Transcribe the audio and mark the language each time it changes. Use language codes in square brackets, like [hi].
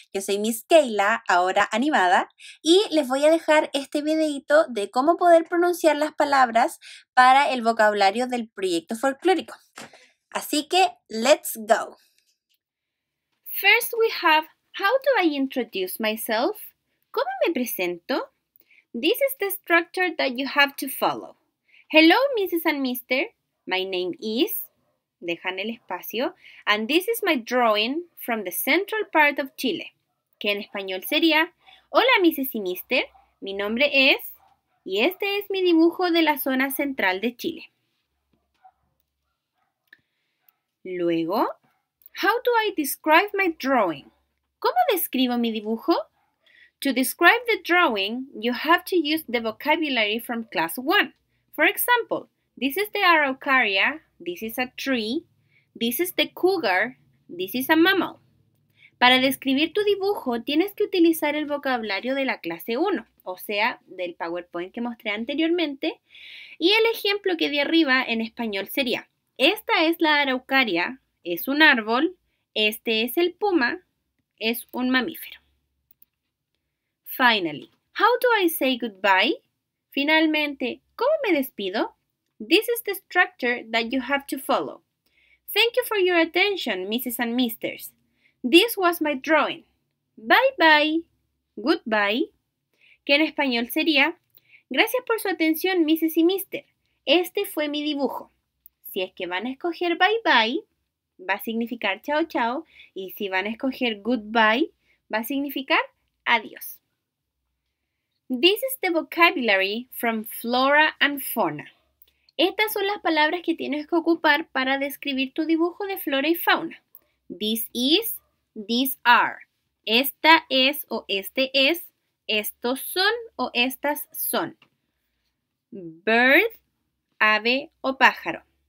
[es] Yo soy Miss Kehila, ahora animada, y les voy a dejar este videito de cómo poder pronunciar las palabras para el vocabulario del proyecto folclórico. Así que, [en] let's go. First we have, how do I introduce myself? [es] ¿Cómo me presento? [en] This is the structure that you have to follow. Hello Mrs. and Mr., my name is... [es] Dejan el espacio. [en] And this is my drawing from the central part of Chile. [es] Que en español sería, hola, Mrs. y Mister. Mi nombre es, y este es mi dibujo de la zona central de Chile. [en] Luego, how do I describe my drawing? [es] ¿Cómo describo mi dibujo? [en] To describe the drawing, you have to use the vocabulary from class 1. For example, this is the araucaria, this is a tree, this is the cougar, this is a mammal. [es] Para describir tu dibujo, tienes que utilizar el vocabulario de la clase 1, o sea, del PowerPoint que mostré anteriormente. Y el ejemplo que di arriba en español sería, esta es la araucaria, es un árbol, este es el puma, es un mamífero. [en] Finally, how do I say goodbye? [es] Finalmente, ¿cómo me despido? [en] This is the structure that you have to follow. Thank you for your attention, Mrs. and Misters. This was my drawing. Bye bye. Goodbye. [es] Que en español sería, gracias por su atención, Mrs. y Mister. Este fue mi dibujo. Si es que van a escoger bye bye, va a significar chao chao. Y si van a escoger goodbye, va a significar adiós. [en] This is the vocabulary from flora and fauna. [es] Estas son las palabras que tienes que ocupar para describir tu dibujo de flora y fauna. [en] This is, these are. [es] Esta es o este es. Estos son o estas son. Bird, ave o pájaro.